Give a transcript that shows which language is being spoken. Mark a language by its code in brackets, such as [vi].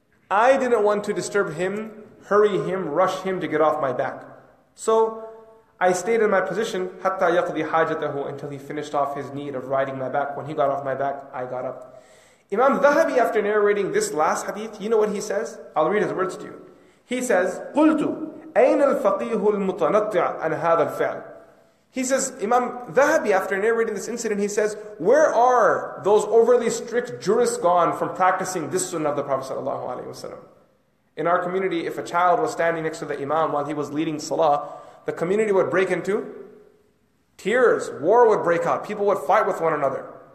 [en] I didn't want to disturb him, hurry him, rush him to get off my back. So I stayed in my position, [ar] حَتَّى يَقْضِي حَاجَتَهُ, [en] until he finished off his need of riding my back. When he got off my back, I got up. Imam Dhahabi, after narrating this last hadith, you know what he says? I'll read his words to you. He says, [ar] قُلْتُ أَيْنَ الْفَقِيهُ الْمُتَنَطِّعَ عَنْ هَذَا الْفِعْلِ. [en] He says, Imam Dhahabi, after narrating this incident, he says, where are those overly strict jurists gone from practicing this sunnah of the Prophet sallallahu alayhi wa sallam? In our community, if a child was standing next to the Imam while he was leading salah, the community would break into tears, war would break out, people would fight with one another.